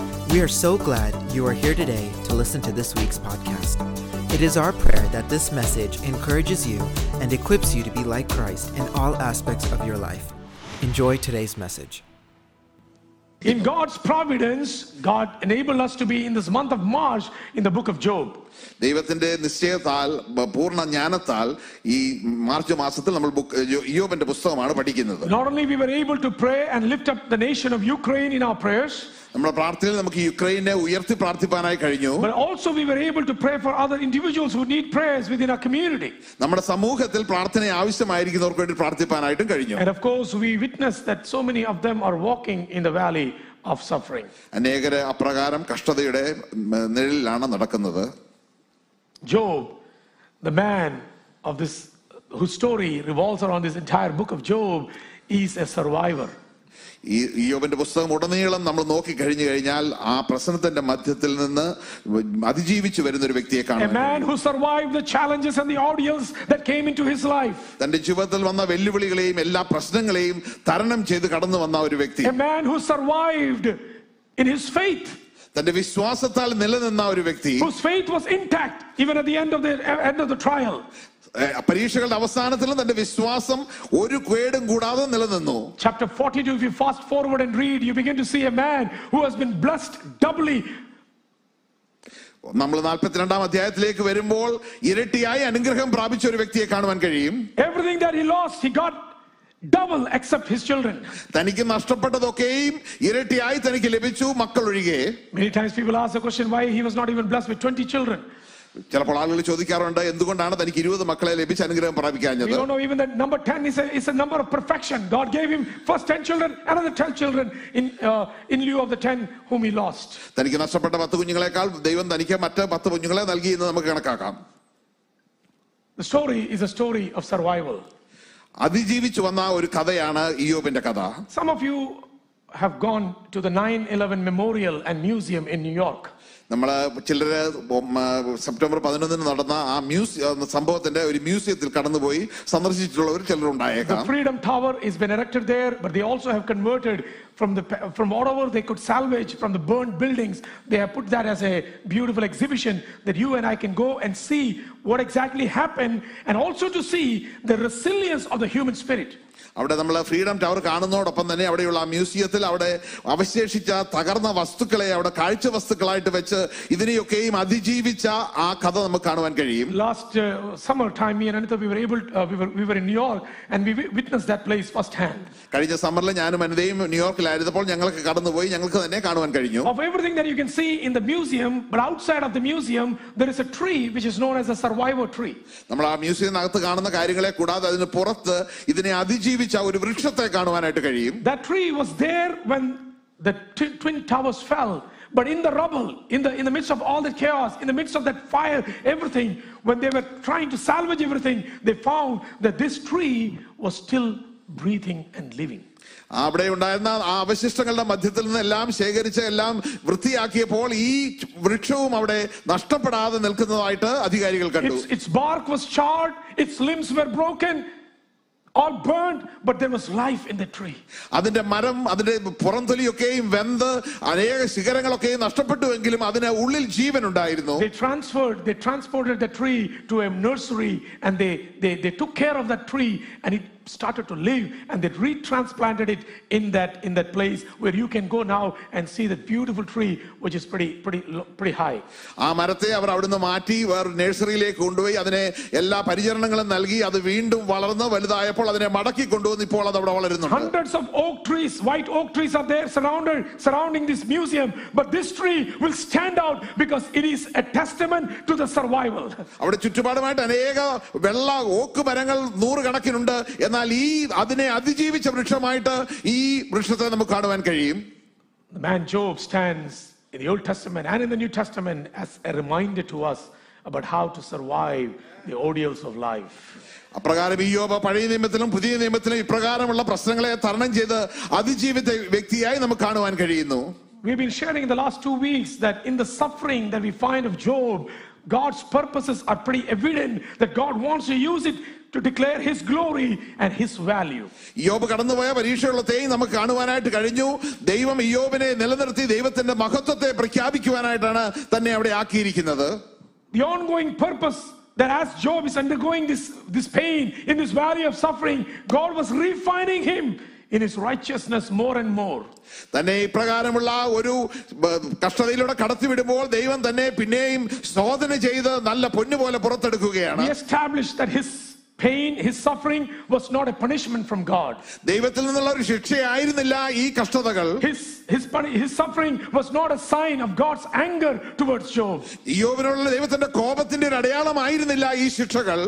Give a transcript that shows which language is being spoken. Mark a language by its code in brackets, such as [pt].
[en] We are so glad you are here today to listen to this week's podcast. It is our prayer that this message encourages you and equips you to be like Christ in all aspects of your life. Enjoy today's message. In God's providence, God enabled us to be in this month of March in the book of Job. [ml] ദൈവത്തിന്റെ നിശ്ചയത്താൽ പൂർണ്ണ ജ്ഞാനത്താൽ ഈ March മാസത്തിൽ നമ്മൾ ഇയ്യോബിന്റെ പുസ്തകമാണ് പഠിക്കുന്നത്. [en] Not only we were able to pray and lift up the nation of Ukraine in our prayers. [ml] നമ്മുടെ പ്രാർത്ഥനയിൽ നമുക്ക് യുക്രൈനെ ഉയർത്തി പ്രാർത്ഥിപ്പാനായി കഴിഞ്ഞു. [en] But also we were able to pray for other individuals who need prayers within our community. [ml] നമ്മുടെ സമൂഹത്തിൽ പ്രാർത്ഥന ആവശ്യമായിരിക്കുന്നവർക്ക് വേണ്ടി പ്രാർത്ഥിപ്പാനായിട്ടും കഴിഞ്ഞു. [en] And of course we witnessed that so many of them are walking in the valley of suffering. [ml] അനേകരെ അപ്രകാരം കഷ്ടതയുടെ നിഴലിലാണ് നടക്കുന്നത്. [en] Job, the man of this whose story revolves around this entire book of Job, is a survivor. [ml] ഈയോബിന്റെ പുസ്തകം ഉടനീളം നമ്മൾ നോക്കി കഴിഞ്ഞു കഴിഞ്ഞാൽ ആ പ്രശ്നത്തിന്റെ മധ്യത്തിൽ നിന്ന് അതിജീവിച്ചു വരുന്ന ഒരു വ്യക്തിയെ കാണുന്നു. [en] A man who survived the challenges and the ordeals that came into his life. [ml] തന്റെ ജീവിതത്തിൽ വന്ന വെല്ലുവിളികളെയും എല്ലാ പ്രശ്നങ്ങളെയും തരണം ചെയ്തു കടന്നു വന്ന ഒരു വ്യക്തി. [en] A man who survived in his faith. [ml] തന്റെ വിശ്വാസത്താൽ നിലനിന്ന ഒരു വ്യക്തി. [en] Whose faith was intact even at the end of the trial. [ml] പരീക്ഷകളുടെ അവസാനത്തിലും തന്റെ വിശ്വാസം ഒരു കേടും കൂടാതെ നിലനിന്നു. [en] Chapter 42, if you fast forward and read, you begin to see a man who has been blessed doubly. [ml] നമ്മൾ 42-ാം അധ്യായത്തിലേക്ക് വരുമ്പോൾ ഇരട്ടിയായി അനുഗ്രഹം പ്രാപിച്ച ഒരു വ്യക്തിയെ കാണുവാൻ കഴിയും. [en] Everything that he lost, he got double except his children. [ml] തനിക്ക് നഷ്ടപ്പെട്ടതൊക്കെയും ഇരട്ടിയായി തനിക്ക് ലഭിച്ചു മക്കൾ ഒഴികെ. [en] Many times people ask the question, why he was not even blessed with 20 children. [ml] ചിലപ്പോൾ ആളുകൾ ചോദിക്കാറുണ്ട്, എന്തുകൊണ്ടാണ് തനിക്ക് 20 മക്കളെ ലഭിച്ച അനുഗ്രഹം പ്രാപിക്കാഞ്ഞത്. [en] We don't know, even that number 10 is a number of perfection. God gave him first 10 children, another 10 children in lieu of the 10 whom he lost. [ml] തനിക്ക് നഷ്ടപ്പെട്ട 10 കുഞ്ഞുങ്ങളെക്കാൾ ദൈവം തനിക്ക് മറ്റ് 10 കുഞ്ഞുങ്ങളെ നൽകി എന്ന് നമുക്ക് കണക്കാക്കാം. [en] The story is a story of survival. [ml] അതിജീവിച്ചു വന്ന ഒരു കഥയാണ് ഇയ്യോബിന്റെ കഥ. [en] Some of you have gone to the 9/11 memorial and museum in New York. [ml] നമ്മള് ചിലര് September 11 നടന്ന ആ സംഭവത്തിന്റെ ഒരു മ്യൂസിയത്തിൽ കടന്നുപോയി സന്ദർശിച്ചിട്ടുള്ളവർ ചിലർ ഉണ്ടായേക്കാം. [en] The Freedom Tower has been erected there, but they also have converted from whatever they could salvage from the burned buildings, they have put that as a beautiful exhibition that you and I can go and see what exactly happened and also to see the resilience of the human spirit. [ml] അവിടെ നമ്മൾ freedom tower കാണുന്നതോടൊപ്പം തന്നെ അവിടെയുള്ള ആ മ്യൂസിയത്തിൽ അവിടെ അവശേഷിച്ച തകർന്ന വസ്തുക്കളെ അവിടെ കാഴ്ച വസ്തുക്കളായിട്ട് വെച്ച് ഇതിനെയൊക്കെയും അതിജീവിച്ച ആ കഥ നമുക്ക് കാണുവാൻ കഴിയും. [en] Last summer time me and Anita we were in New York and we witnessed that place first hand. [ml] കഴിഞ്ഞ സമ്മറിൽ ഞാനും അനിതയും ന്യൂയോർക്കിൽ ആയിരുന്നപ്പോൾ ഞങ്ങൾക്ക് കടന്നുപോയി ഞങ്ങൾക്ക് തന്നെ കാണുവാൻ കഴിഞ്ഞു. [en] Of everything that you can see in the museum, but outside of the museum there is a tree which is known as a survivor tree. [ml] നമ്മൾ ആ മ്യൂസിയത്തിനകത്ത് കാണുന്ന കാര്യങ്ങളെ കൂടാതെ അതിന് പുറത്ത് ഇതിനെ അതിജീവിച്ച ഒരു വൃക്ഷത്തെ കാണുവാനായിട്ട് കഴിയും. [en] That tree was there when the twin towers fell, but in the rubble, in the midst of all the chaos, in the midst of that fire, everything, when they were trying to salvage everything, they found that this tree was still breathing and living. [ml] അവിടെ ഉണ്ടായിരുന്ന ആ അവശിഷ്ടങ്ങളുടെ മധ്യത്തിൽ നിന്ന് എല്ലാം ശേഖരിച്ച് എല്ലാം വൃത്തിയാക്കിയപ്പോൾ ഈ വൃക്ഷവും അവിടെ നഷ്ടപ്പെടാതെ നിൽക്കുന്നതായിട്ട് അധികാരികൾ കണ്ടു. [en] Its bark was charred, its limbs were broken, all burned, but there was life in the tree. [ml] അതിന്റെ മരം അതിന്റെ പുറംതൊലിയൊക്കെയും വെന്ത് അനേക ശിഖരങ്ങളൊക്കെയും നഷ്ടപ്പെട്ടുവെങ്കിലും അതിന്റെ ഉള്ളിൽ ജീവൻ ഉണ്ടായിരുന്നു. [en] They transported the tree to a nursery and they took care of that tree and it started to live and they retransplanted it in that place where you can go now and see that beautiful tree which is pretty high. [ml] ആ മരത്തെ അവർ അവിടുന്ന് മാറ്റി വേറെ നഴ്സറിയിലേക്ക് കൊണ്ടുപോയി അതിനെ എല്ലാ പരിചരണങ്ങളും നൽകി അത് വീണ്ടും വളർന്ന് വലുതായപ്പോൾ അതിനെ മടക്കി കൊണ്ടുവന്ന് ഇപ്പോൾ അത് അവിടെ വളരുന്നുണ്ട്. [en] Hundreds of oak trees, white oak trees are there surrounding this museum, but this tree will stand out because it is a testament to the survival. [ml] അവിടെ ചുറ്റുപാടുമായിട്ട് അനേക വെള്ള ഓക്ക് മരങ്ങൾ നൂറുകണക്കിനുണ്ട്. അതിനെ അതിജീവിച്ച വൃക്ഷമായിട്ട് ഈ വൃക്ഷത്തെ നമുക്ക് കാണുവാൻ കഴിയും. [en] The man Job stands in the Old Testament and in the New Testament as a reminder to us about how to survive the ordeals of life. [ml] അപ്രകാരം ഇയ്യോബ് പഴയ നിയമത്തിലും പുതിയ നിയമത്തിലും ഇപ്രകാരമുള്ള പ്രശ്നങ്ങളെ തരണം ചെയ്ത് അതിജീവിത വ്യക്തിയായി നമുക്ക് കാണുവാൻ കഴിയുന്നു. [en] We've been sharing in the last 2 weeks that in the suffering that we find of Job, God's purposes are pretty evident that God wants to use it to declare his glory and his value. [ml] യോബ് കടന്നുപോയ പരീക്ഷകളത്തെയും നമുക്ക് കാണുവാനായിട്ട് കഴിഞ്ഞു. ദൈവം ഇയ്യോബിനെ നിലനിർത്തി ദൈവത്തിന്റെ മഹത്വത്തെ പ്രഖ്യാപിക്കുവാനായിട്ടാണ് തന്നെ അവിടെ ആക്കിയിരിക്കുന്നത്. [en] The ongoing purpose that as Job is undergoing this pain in this valley of suffering, God was refining him in his righteousness more and more. [ml] തന്നെ ഇപ്രകാരമുള്ള ഒരു കഷ്ടതയിലൂടെ കടത്തിവിടുമ്പോൾ ദൈവം തന്നെ പിന്നെയും ശോധന ചെയ്ത് നല്ല പൊന്നുപോലെ പുറത്തെടുക്കുകയാണ്. [en] He established that his pain, his suffering was not a punishment from God. [ml] ദൈവത്തിൽ നിന്നുള്ള ഒരു ശിക്ഷയായിരുന്നില്ല ഈ കഷ്ടതകൾ. [en] His suffering was not a sign of God's anger towards Job. [ml] ഇയ്യോബിനോടുള്ള ദൈവത്തിന്റെ കോപത്തിന്റെ ഒരു അടയാളമായിരുന്നില്ല ഈ ശിക്ഷകൾ.